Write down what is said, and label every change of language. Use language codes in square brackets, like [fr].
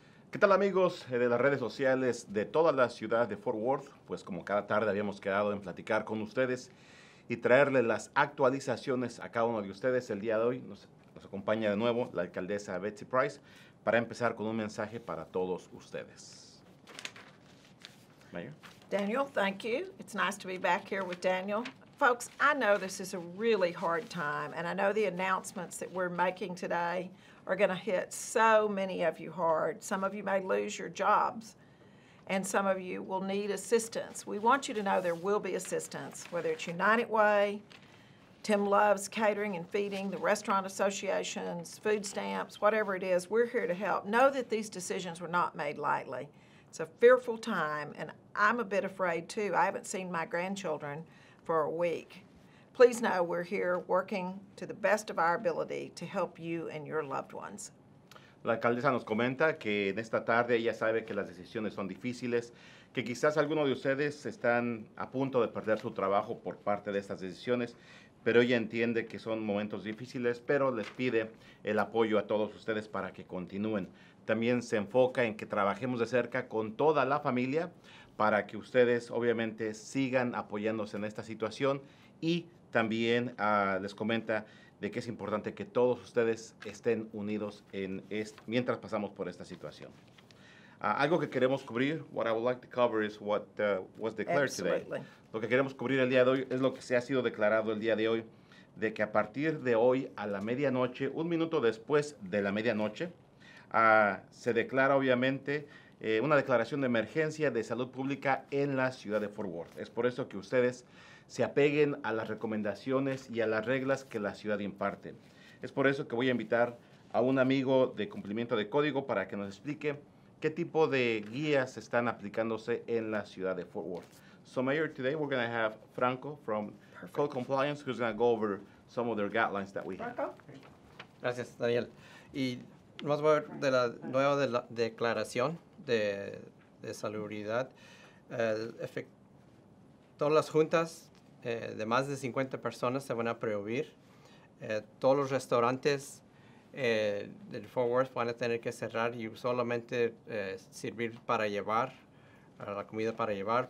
[es] ¿Qué tal, amigos de las redes sociales de todas las ciudades de Fort Worth? Pues como cada tarde habíamos quedado en platicar con ustedes y traerles las actualizaciones a cada uno de ustedes. El día de hoy nos acompaña de nuevo la alcaldesa Betsy Price para empezar con un mensaje para todos ustedes. [en] Mayor. Daniel, thank you. It's nice to be back here with Daniel. Folks, I know this is a really hard time, and I know the announcements that we're making today are going to hit so many of you hard. Some of you may lose your jobs, and some of you will need assistance. We want you to know there will be assistance, whether it's United Way, Tim Love's Catering and Feeding, the Restaurant Associations, food stamps, whatever it is, we're here to help. Know that these decisions were not made lightly. It's a fearful time, and I'm a bit afraid, too. I haven't seen my grandchildren for a week. Please know we're here working to the best of our ability to help you and your loved ones. [es] La alcaldesa nos comenta que en esta tarde ella sabe que las decisiones son difíciles, que quizás algunos de ustedes están a punto de perder su trabajo por parte de estas decisiones, pero ella entiende que son momentos difíciles, pero les pide el apoyo a todos ustedes para que continúen. También se enfoca en que trabajemos de cerca con toda la familia para que ustedes obviamente sigan apoyándose en esta situación. Y también les comenta de que es importante que todos ustedes estén unidos en mientras pasamos por esta situación. Algo que queremos cubrir, [en] what I would like to cover is what was declared Absolutely. Today. [es] Lo que queremos cubrir el día de hoy es lo que se ha sido declarado el día de hoy, de que a partir de hoy a la medianoche, un minuto después de la medianoche, se declara obviamente una declaración de emergencia de salud pública en la ciudad de Fort Worth. Es por eso que ustedes se apeguen a las recomendaciones y a las reglas que la ciudad imparte. Es por eso que voy a invitar a un amigo de cumplimiento de código para que nos explique qué tipo de guías están aplicándose en la ciudad de Fort Worth. [en] So, Mayor, today we're going to have Franco from Perfect. Code Compliance, who's going to go over some of their guidelines that we Franco. Have. [es] Gracias, Daniel. Y vamos a ver de la nueva de la declaración de salubridad. Todas las juntas de más de 50 personas se van a prohibir. Todos los restaurantes del Fort Worth van a tener que cerrar y solamente servir para llevar, la comida para llevar.